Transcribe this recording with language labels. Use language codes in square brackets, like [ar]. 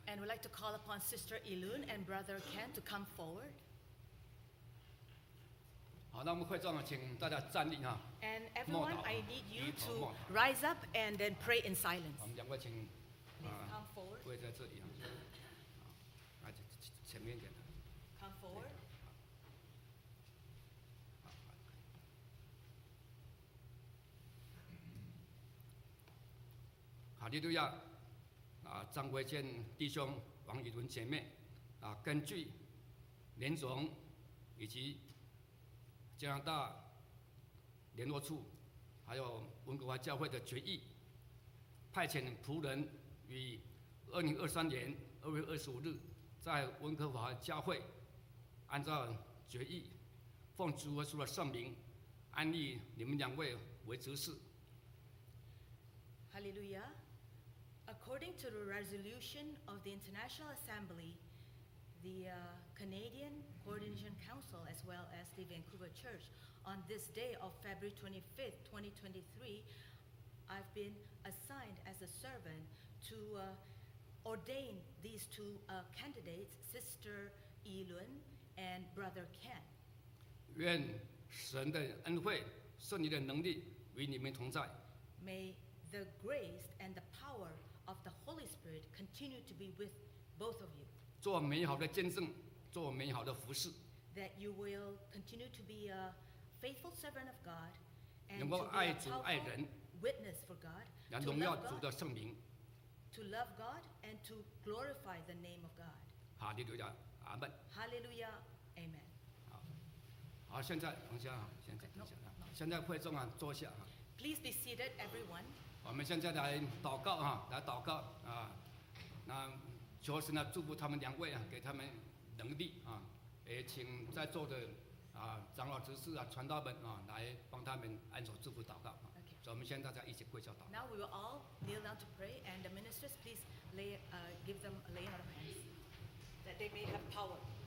[en] And we'd like to call upon Sister Ilun and Brother Ken to come forward. [zh] 好，那我们会众请大家站立啊。 [en] And everyone, I need you to rise up and then pray in silence. [zh] 我们两位请 [en] come forward. [zh] 跪在这里啊，来前面一点。 [en] Come forward. [zh] 哈利路亚！张维健弟兄、王宇伦姐妹，根据联总以及加拿大联络处，还有温哥华教会的决议，派遣仆人与 2023年2月25日在温哥华教会按照决议奉主耶稣的圣名安立你们两位为执事。 [en] Hallelujah. According to the resolution of the International Assembly, the Canadian Coordination Council as well as the Vancouver Church, on this day of February 25th, 2023, I've been assigned as a servant to ordain these two candidates, Sister Yilun and Brother Ken. [zh] 愿神的恩惠、圣灵的能力与你们同在。 [en] May the grace and the power of the Holy Spirit continue to be with both of you. [zh] 做美好的见证，做美好的服事。 [en] That you will continue to be a faithful servant of God and [zh] 能够爱主爱人 [en] witness for God, [zh] 来荣耀主的圣名。 [en] To love God and to glorify the name of God. Hallelujah. Amen. Hallelujah. Amen. [zh] 好，现在等一下，现在等一下，现在会众啊，坐下哈。 [en] Please be seated, everyone. [zh] 我们现在来祷告哈，来祷告啊，那求神呢祝福他们两位啊，给他们能力啊，也请在座的啊长老执事啊传道们啊来帮他们按手祝福祷告啊。 [en] Now we will all kneel down to pray, and the ministers, please lay, give them a laying on of hands, that they may have power.